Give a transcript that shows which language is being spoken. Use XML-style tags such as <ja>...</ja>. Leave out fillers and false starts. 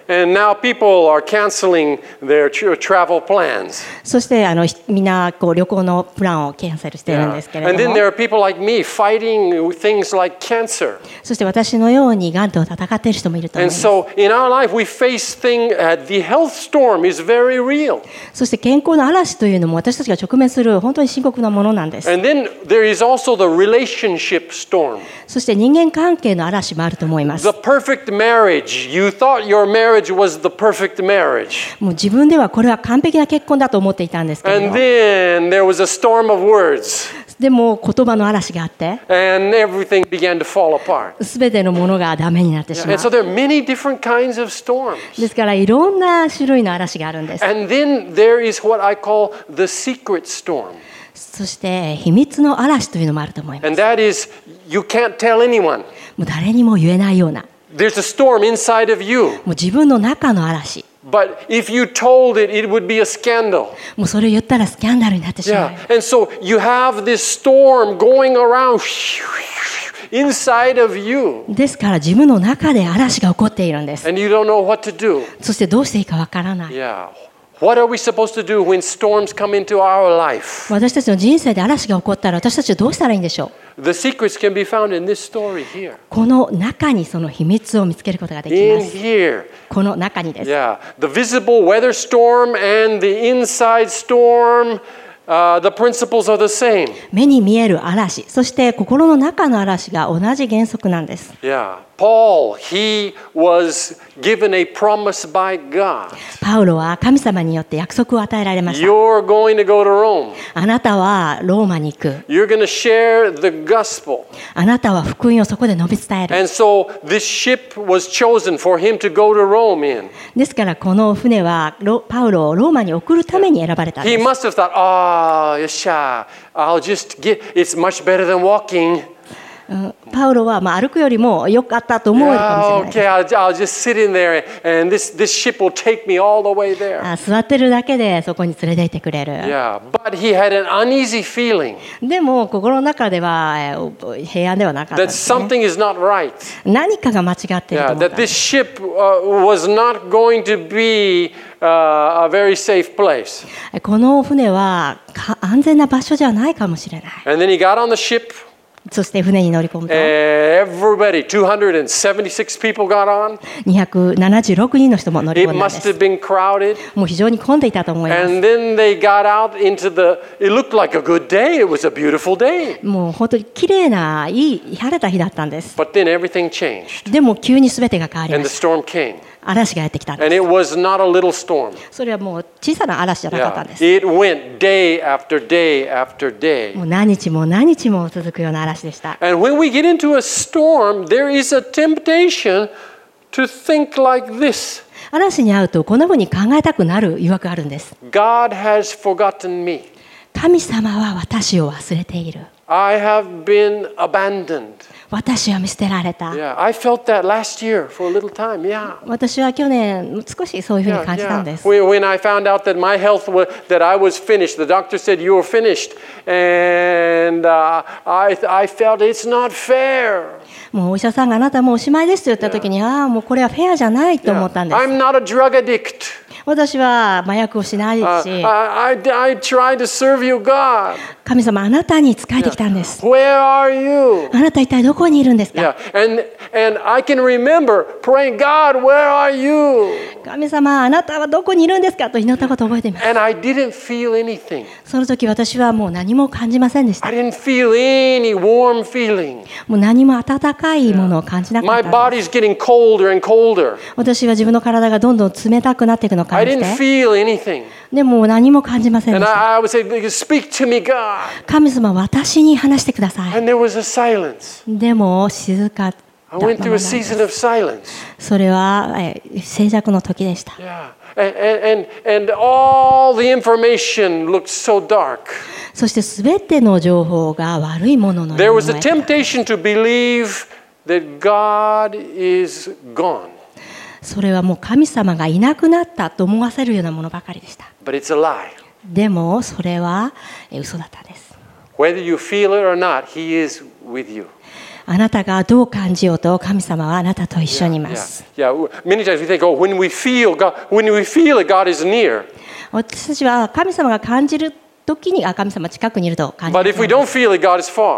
<en>And now people are canceling their travel plans.</en> <ja>そしてみんなこう旅行のプランをキャンセルしているんですけれども。</ja> <en>And then there are people like me fighting things like cancer.</en> <ja>そして私のようにがんと戦っている人もいると思います。</ja> <en>And so in our life we face things. The health storm is very real.</en> <ja>そして健康の嵐というのも私たちが直面する本当に深刻なものなんです。</ja> <en>And then there is also the relationship storm.</en> <ja>そして人間関係の嵐もあると思います。</ja> <en>The perfect marriage. You thought your marriageWas the perfect marriage.</en> <ja>もう自分ではこれは完璧な結婚だと思っていたんですけど。</ja> <en>And then there was a storm of words.</en> <ja>でも言葉の嵐があって。</ja> <en>And everything began to fall apart.</en> <ja>すべてのものがダメになってしまう。</ja> <en>And so there are many different kinds of storms.</en> <ja>ですからいろんな種類の嵐があるんです。</ja> <en>And then there is what I call the secret storm.</en> <ja>そして秘密の嵐というのもあると思います。</ja> <en>And that is you can't tell anyone.</en> <ja>もう誰にも言えないような。</ja> <en>There's a storm inside of you.</en> <ja>もう自分の中の嵐。</ja> <en>But if you told it, it would be a scandal.</en> <ja>もうそれを言ったらスキャンダルになってしまう。</ja> <en>Yeah. And so you have this storm going around inside of you.</en> <ja>ですから自分の中で嵐が起こっているんです。</ja> <en>And you don't know what to do.</en> <ja>そしてどうしていいかわからない。</ja> <en>Yeah. What are we supposed to do when storms come into our life?</en> <ja>私たちの人生で嵐が起こったら私たちはどうしたらいいんでしょう。</ja> <en>The secrets can be found in this story here.</en> <ja>この中にその秘密を見つけることができます。</ja> <en>In here.</en> <ja>この中にです。</ja> <en>Yeah. The visible weather storm and the inside storm, the principles are the same.</en> <ja>目に見える嵐、そして心の中の嵐が同じ原則なんです。</ja> <en>Yeah. Paul, he was given a promise by God.</en> <ja>パウロは神様によって約束を与えられました。</ja> <en>You're going to go to Rome.</en> <ja>あなたはローマに行く。</ja> <en>You're going to share the gospel.</en> <ja>あなたは福音をそこで述べ伝える。</ja> <en>And so this ship was chosen for him to go to Rome in.</en> <ja>ですからこの船はパウロをローマに送るために選ばれたんです。</ja> <en>He must have thought, ah,</en> <ja>よっしゃ、</ja> <en>I'll just get. It's much better than walking.</en> <ja>パウロはまあ歩くよりも良かったと思うかもしれない。</ja> <en>Yeah, okay, I'll just sit in there and this ship will take me all the way there.</en> <ja>座ってるだけでそこに連れて行ってくれる。</ja> <en>Yeah, but he had an uneasy feeling.</en> <ja>でも心の中では平安ではなかったですね。</ja> <en>That something is not right.</en> <ja>何かが間違っていると思った。</ja> <en>Yeah, that this ship was not going to be a very safe place.</en> <ja>この船は安全な場所じゃないかもしれない。</ja> <en>And then he got on the ship.</en> <ja>そして船に乗り込むと</ja> <en>Everybody, 276 people got on.</en> <ja>276人の人も乗り込んだんです。</ja> <en>It must have been crowded.</en> <ja>もう非常に混んでいたと思います。</ja> <en>And then they got out into the. It looked like a good day. It was a beautiful day.</en> <ja>もう本当に綺麗な、いい晴れた日だったんです。</ja> <en>But then everything changed.</en> <ja>でも急にすべてが変わりました。</ja> <en>And the storm came.</en> <ja>嵐がやってきたんです。</ja> <en>And it was not a little storm.</en> <ja>それはもう小さな嵐じゃなかったんです。</ja> <en>Yeah. It went day after day after day.</en> <ja>もう何日も何日も続くような嵐でした。</ja> <en>And when we get into a storm, there is a temptation to think like this.</en> <ja>嵐に遭うとこんなふうに考えたくなる誘惑があるんです。</ja> <en>God has forgotten me.</en> <ja>神様は私を忘れている。</ja> <en>I have been abandoned.</en> <ja>私は見捨てられた。</ja> <en>Yeah, I felt that last year for a little time. Yeah.</en> <ja>私は去年少しそういうふうに感じたんです。</ja> <en>Yeah, yeah. When I found out that my health was that I was finished, the doctor said you are finished, and I felt it's not fair.</en> <ja>もうお医者さんがあなたもうおしまいですと言ったときに、yeah. ああもうこれはフェアじゃないと思ったんです。</ja> <en>Yeah. I'm not a drug addict.</en> <ja>私は麻薬をしないし。</ja> <en>I tried to serve you, God.</en> <ja>神様あなたに仕えてきたんです。</ja> <en>Yeah. Where are you?</en> <ja>あなた一体どこにいるんですか。</ja> <en>Yeah. And I can remember praying, God, where are you?</en> <ja>神様あなたはどこにいるんですかと祈ったことを覚えています。</ja> <en>And I didn't feel anything.</en> <ja>その時私はもう何も感じませんでした。</ja> <en>I didn't feel any warm feeling.</en> <ja>もう何も温かいものを感じなかったんです。</ja> <en>My body's getting colder and colder.</en> <ja>私は自分の体がどんどん冷たくなっていくのを感じて。</ja> <en>I didn't feel anything.</en> <ja>でも何も感じませんでした。</ja> <en>And I would say, speak to me, God.</en> <ja>神様私に話してください。</ja> <en>And there was a silence.</en> <ja>でも静かった。</ja> <en>I went through a season of silence.</en> <ja>それは静寂の時でした。</ja> <en>And all the information looked so dark.</en> <ja>そして全ての情報が悪いものの。</ja> <en>There was a temptation to believe that God is gone.</en> <ja>それはもう神様がいなくなったと思わせるようなものばかりでした。</ja> <en>But it's a lie.</en> <ja>でもそれは嘘だったんです。</ja> <en>Whether you feel it or not, He is with you.</en> <ja>あなたがどう感じようと神様はあなたと一緒にいます。私たちは神様が感じる時に神様近くにいると感じるんです。</ja>